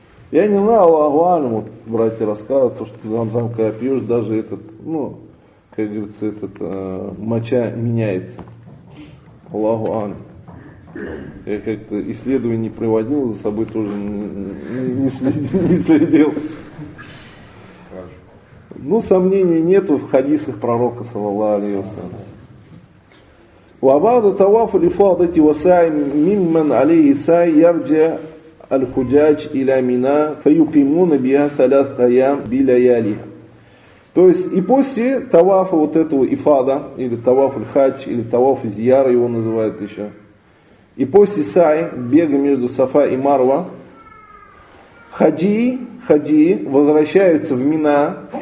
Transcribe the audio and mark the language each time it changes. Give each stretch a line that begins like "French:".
Russian: Я не знаю, Аллаху, братья рассказывают, то, что замзам, когда пьешь, даже этот, ну, как говорится, этот моча меняется. Аллаху ан. Я как-то исследование приводил, за собой тоже не следил. Ну, сомнений нету в хадисах пророка, саллаллаху алейхи вассалям.
Arabic: وبعد طواف الإفاضة وسعي ممن عليه سعي يرجع الحجاج إلى منى فيقيمون بها ثلاثة أيام بلياليها.
Russian: То есть и после тавафа вот этого ифада, или таваф аль-хадж, или таваф зияра его называют еще, и после сай, бега между Сафа и Марва, хаджи возвращаются в Мина.